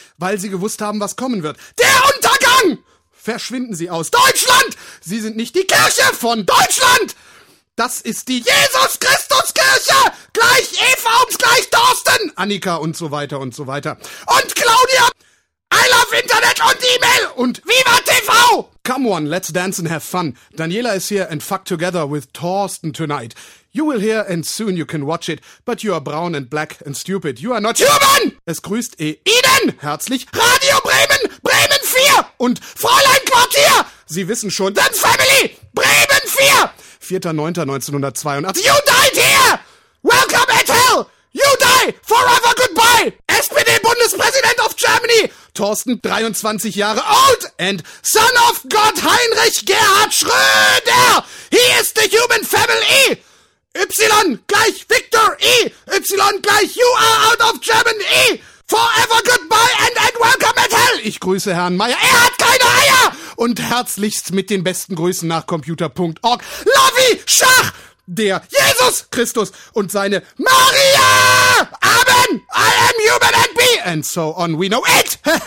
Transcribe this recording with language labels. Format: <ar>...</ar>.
<de>Weil Sie gewusst haben, was kommen wird. Der Untergang! Verschwinden Sie aus Deutschland! Sie sind nicht die Kirche von Deutschland! Das ist die Jesus-Christus-Kirche! Gleich Eva und gleich Thorsten! Annika und so weiter und so weiter. Und Claudia!</de> <en>I love Internet und E-Mail!</en> <de>Und Viva TV!</de> <en>Come on, let's dance and have fun. Daniela is here and fuck together with Thorsten tonight. You will hear and soon you can watch it. But you are brown and black and stupid. You are not human!</en> <de>Es grüßt Eden! Herzlich Radio Bremen!</de> <en>Bremen 4!</en> <de>Und Fräulein Quartier! Sie wissen schon,</de> <en>The Family! Bremen 4! 4.9.1982. You died here! Welcome at hell! You die! Forever goodbye! SPD-Bundespräsident of Germany! Thorsten, 23 Jahre old and son of God Heinrich Gerhard Schröder! He is the human family! Y gleich Victor E! Y gleich you are out of Germany! Forever goodbye and welcome at hell!</en> <de>Ich grüße Herrn Meyer. Er hat keine Eier! Und herzlichst mit den besten Grüßen nach computer.org. Lovi Schach! Der Jesus Christus und seine Maria!</de> <en>Amen! I am human and be! And so on, we know it!</en>